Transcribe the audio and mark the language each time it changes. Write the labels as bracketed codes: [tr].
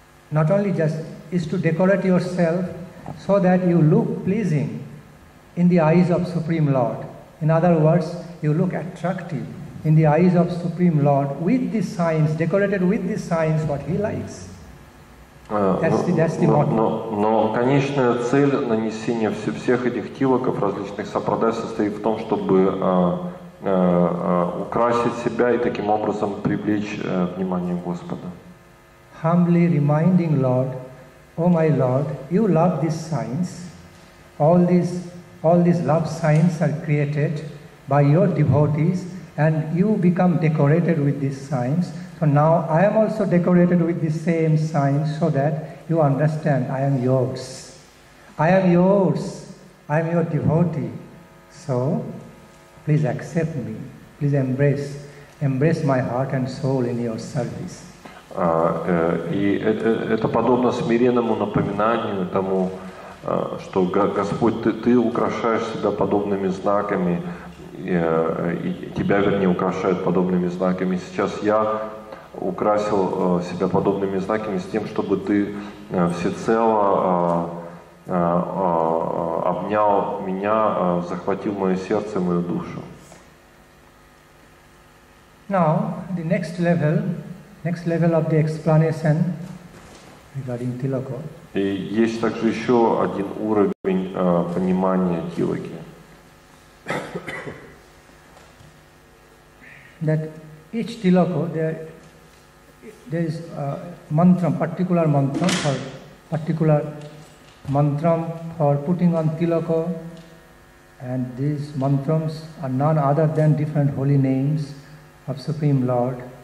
[en] Not only just is to decorate yourself so that you look pleasing in the eyes of Supreme Lord. In other words, you look attractive in the eyes of Supreme Lord with the signs, decorated with the signs what He likes. That's the motto. [ru] Но конечная цель нанесения всех этих тилаков различных сампрадай состоит в том, чтобы украсить себя и таким образом привлечь внимание Господа. [en] Humbly reminding Lord Oh my Lord, you love these signs. All these love signs are created by your devotees and you become decorated with these signs. So now I am also decorated with the same signs so that you understand I am yours. I am yours. I am your devotee. So please accept me. Please embrace. Embrace my heart and soul in your service. [ru] И это подобно смиренному напоминанию тому, что Господь, ты украшаешь себя подобными знаками, и тебя, вернее, украшают подобными знаками. Сейчас я украсил себя подобными знаками с тем, чтобы ты всецело обнял меня, захватил мое сердце, мою душу. [en] Now, the next level. Next level of the explanation regarding Tilaka. [ru] И есть также еще один уровень понимания Тилаки. [en] That each Tilaka, there is a particular mantra for putting on Tilaka, and these mantras are none other than different holy names of Supreme Lord.